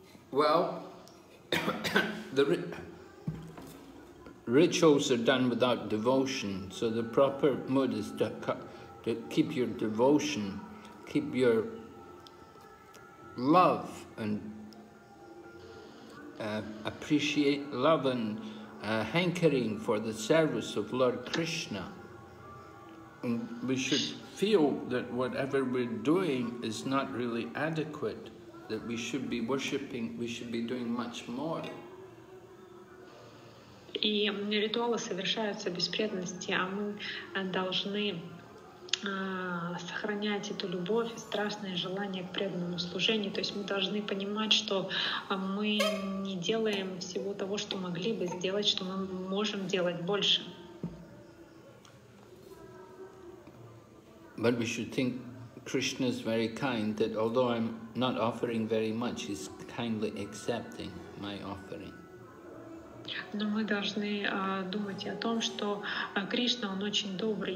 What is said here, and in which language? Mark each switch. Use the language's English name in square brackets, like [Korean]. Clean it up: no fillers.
[English] Well, the rituals are done without devotion, so the proper mood is to keep your devotion, keep your love and appreciate love and hankering for the service of Lord Krishna. And we should feel that whatever we're doing is not really adequate, that we should be worshipping, we should be doing much more. [Russian] И ритуалы совершаются без преданности, а мы должны сохранять эту любовь и страстное желание к преданному служению. То есть мы должны понимать, что мы не делаем всего того, что могли бы сделать, что мы можем делать больше. [English] But we should think Krishna is very kind, that although I'm not offering very much, he's kindly accepting my offering. [Russian] Но мы должны думать о том, что Кришна, он очень добрый.